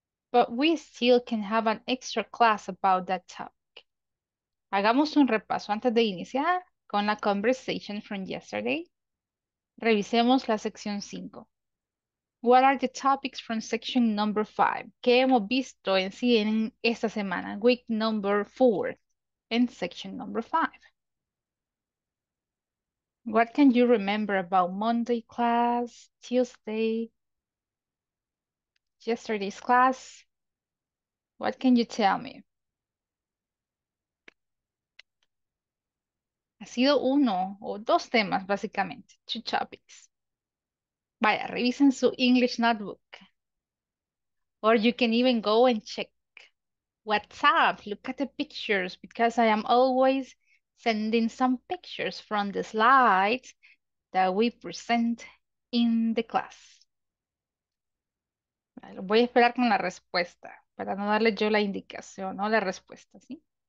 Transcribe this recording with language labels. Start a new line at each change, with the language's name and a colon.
English: But we still can have an extra class about that topic.
Spanish: Hagamos un repaso antes de iniciar con la
English: conversation from yesterday.
Spanish: Revisemos la sección 5.
English: What are the topics from section number five?
Spanish: ¿Qué hemos visto en sí en esta semana?
English: Week number four in section number five. What can you remember about Monday class, Tuesday, yesterday's class? What can you tell me?
Spanish: Ha sido uno o dos temas, básicamente,
English: two topics.
Spanish: Vaya, revisen su
English: English notebook. Or you can even go and check WhatsApp. Look at the pictures because I am always sending some pictures from the slides that we present in the class.
Spanish: Vale, voy a esperar con la respuesta para no darle yo la indicación, ¿no? La respuesta, ¿sí?